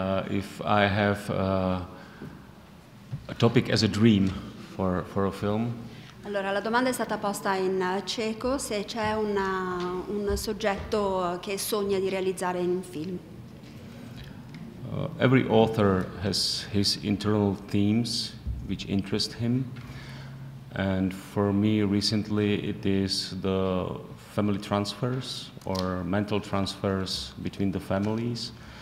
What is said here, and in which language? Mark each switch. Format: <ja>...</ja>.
<en>If I have a topic as a dream for a film.</en> <it>Allora, la domanda è stata posta in ceco, se c'è un soggetto che sogna di realizzare in un film.</it> <en>Every author has his internal themes which interest him, and for me recently it is the family transfers or mental transfers between the families.</en>